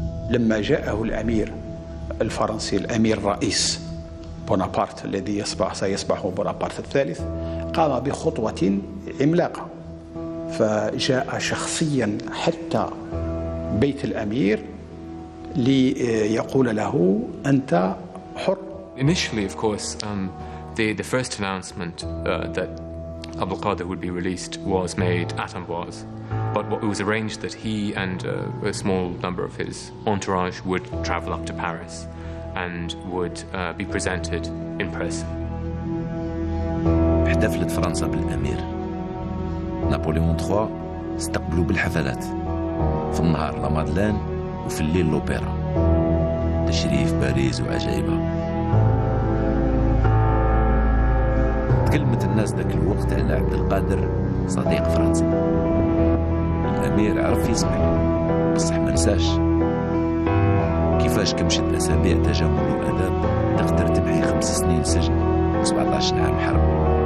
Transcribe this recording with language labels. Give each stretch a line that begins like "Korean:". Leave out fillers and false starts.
Arabic: لما جاءه الامير الفرنسي الامير الرئيس بونابارت الذي سيصبح بونابارت الثالث قام بخطوه عملاقه فجاء شخصيا حتى بيت الأمير ليقول له أنت حر.
English: Initially, of course, the first announcement that Abdelkader would be released was made at Amboise. But it was arranged that he and a small number of his entourage would travel up to Paris and would be presented in person.
Arabic: احتفلت فرنسا بالأمير. نابليون III استقبلوا بالحفلات. في النهار لا مادلين وفي الليل لوبيرا تشريف باريس وعجائبها تكلمت الناس ذاك الوقت على عبد القادر صديق فرنسا الامير عرف يسمع بصح ما نساش كيفاش كمشت اسابيع تجمل واداب تقدر تبعي 5 سنين سجن و 17 عام حرب